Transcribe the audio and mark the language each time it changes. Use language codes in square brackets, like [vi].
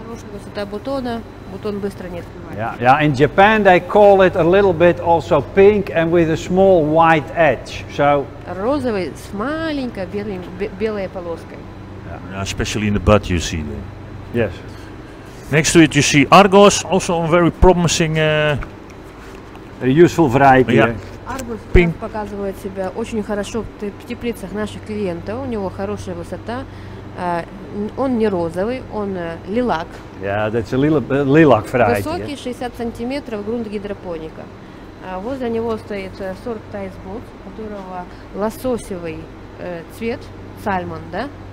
[ru] Высота бутона, бутон быстро не открывается. [en] Yeah, in Japan they call it a little bit also pink and with a small white edge. So [ru] розовый с маленькой белой полоской. [en] Yeah, especially in the bud you see there. Yes. Next to it you see Argos, also a very promising useful variety. Yeah. [ru] Argos pink показывает себя очень хорошо в теплицах наших клиентов. У него хорошая высота. Он не розовый, он лилак. [en] Yeah, that's a lilac variety. [ru] Высокий, 60 сантиметров, грунт гидропоника. Возле него стоит сорт Тайсбот, у которого лососевый цвет, сальмон, да?